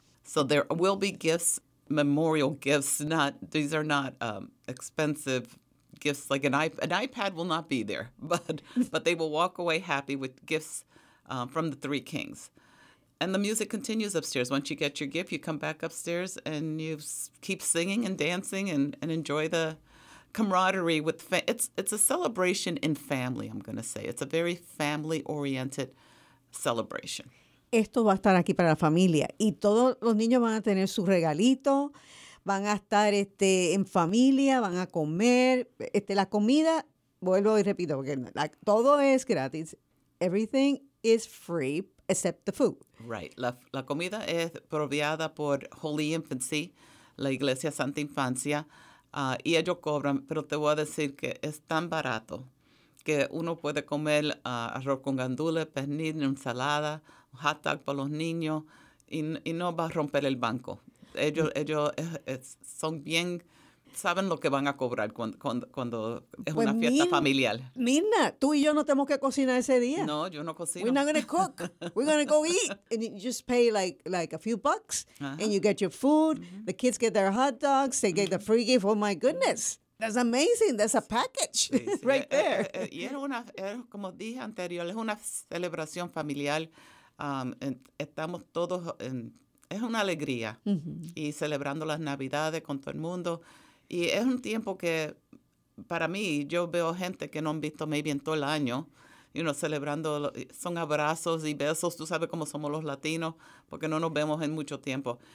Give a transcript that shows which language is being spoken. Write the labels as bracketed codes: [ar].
[en] So there will be gifts, memorial gifts. These are not expensive gifts like an iPad will not be there, but they will walk away happy with gifts from the three kings. And the music continues upstairs. Once you get your gift, you come back upstairs and you keep singing and dancing and enjoy the camaraderie. It's a celebration in family, I'm going to say. It's a very family-oriented celebration. [es] Esto va a estar aquí para la familia. Y todos los niños van a tener su regalito. Van a estar en familia. Van a comer. La comida, vuelvo y repito, porque todo es gratis. [en] Everything is free. Except the food. Right. [es] La comida es proveada por Holy Infancy, la Iglesia Santa Infancia, y ellos cobran, pero te voy a decir que es tan barato que uno puede comer arroz con gandules, pernil, ensalada, hot dog para los niños, y no va a romper el banco. Ellos son bien, saben lo que van a cobrar cuando es una fiesta familiar. Mirna, tú y yo no tenemos que cocinar ese día. No, yo no cocino. [en] We're not going to cook. We're going to go eat. And you just pay like a few bucks, uh-huh. and you get your food. Mm-hmm. The kids get their hot dogs. They get the free gift. Oh, my goodness. That's amazing. That's a package sí. right there. [es] Y era como dije anterior, es una celebración familiar. Estamos todos en, es una alegría, uh-huh, y celebrando las Navidades con todo el mundo. Y es un tiempo que, para mí, yo veo gente que no han visto maybe en todo el año, [en] you know, [es] celebrando, son abrazos y besos, tú sabes cómo somos los latinos, porque no nos vemos en mucho tiempo.